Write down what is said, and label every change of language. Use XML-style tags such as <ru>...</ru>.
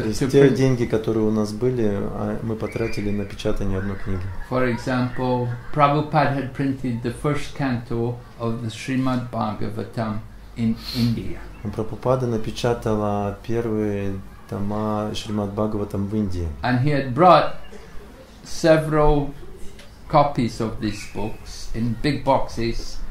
<ru>Те деньги, которые у нас были, мы потратили на печатание одной книги.</ru> <en>For example, Prabhupada had printed the first canto of the Srimad Bhagavatam in India.</en> <ru>Прабхупада напечатала первые тома Шримад Бхагаватам в Индии.</ru> <en>And he had brought several copies of these books in big boxes.</en>